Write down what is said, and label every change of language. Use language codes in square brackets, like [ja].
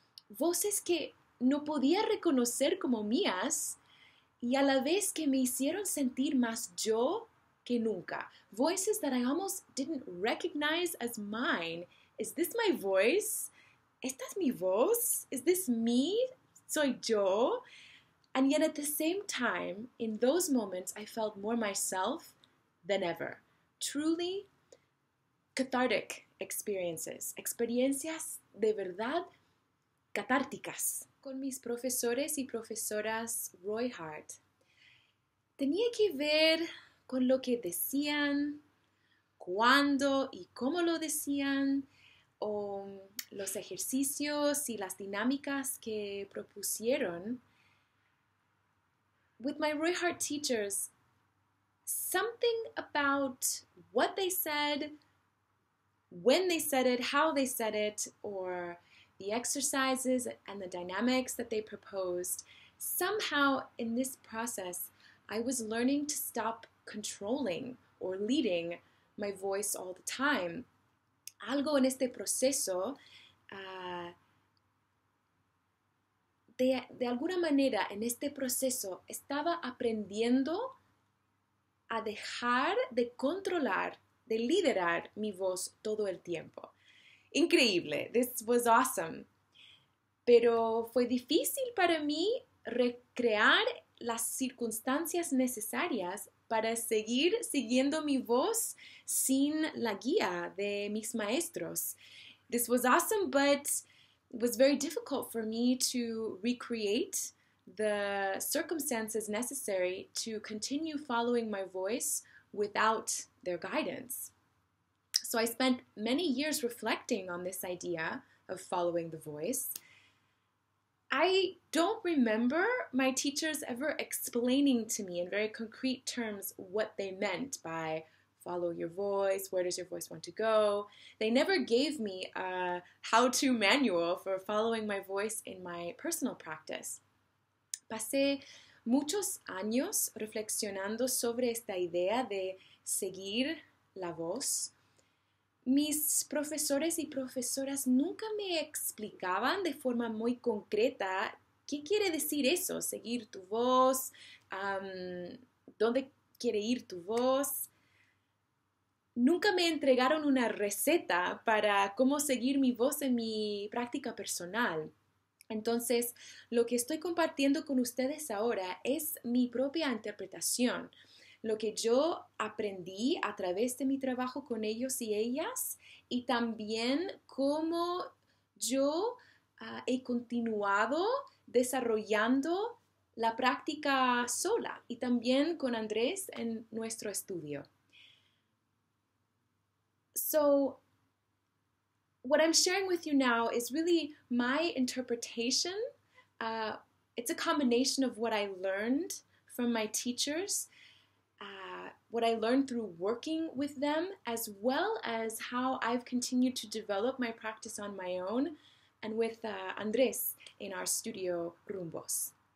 [es] Voces que no podía reconocer como mías y a la vez que me hicieron sentir más yo que nunca. [en] Voices that I almost didn't recognize as mine. Is this my voice? [es] ¿Esta es mi voz? [en] Is this me? [es] ¿Soy yo? [en] And yet at the same time, in those moments, I felt more myself than ever. Truly cathartic experiences. [es] Experiencias de verdad catárticas. Con mis profesores y profesoras Roy Hart, tenía que ver con lo que decían, cuándo y cómo lo decían, o los ejercicios y las dinámicas que propusieron. [en] With my Roy Hart teachers, something about what they said, when they said it, how they said it, or the exercises and the dynamics that they proposed. Somehow in this process, I was learning to stop controlling or leading my voice all the time. [es] Algo en este proceso, de alguna manera en este proceso, estaba aprendiendo a dejar de controlar, de liderar mi voz todo el tiempo. Increíble. [en] This was awesome. [es] Pero fue difícil para mí recrear las circunstancias necesarias para seguir siguiendo mi voz sin la guía de mis maestros. [en] This was awesome, but it was very difficult for me to recreate the circumstances necessary to continue following my voice without their guidance. So I spent many years reflecting on this idea of following the voice. I don't remember my teachers ever explaining to me in very concrete terms what they meant by follow your voice, where does your voice want to go. They never gave me a how-to manual for following my voice in my personal practice. [es] Pasé muchos años reflexionando sobre esta idea de seguir la voz. Mis profesores y profesoras nunca me explicaban de forma muy concreta qué quiere decir eso, seguir tu voz, dónde quiere ir tu voz. Nunca me entregaron una receta para cómo seguir mi voz en mi práctica personal. Entonces, lo que estoy compartiendo con ustedes ahora es mi propia interpretación. Lo que yo aprendí a través de mi trabajo con ellos y ellas, y también cómo yo he continuado desarrollando la práctica sola y también con Andrés en nuestro estudio. [en] So, what I'm sharing with you now is really my interpretation. It's a combination of what I learned from my teachers, what I learned through working with them, as well as how I've continued to develop my practice on my own and with Andrés in our studio Rumbos.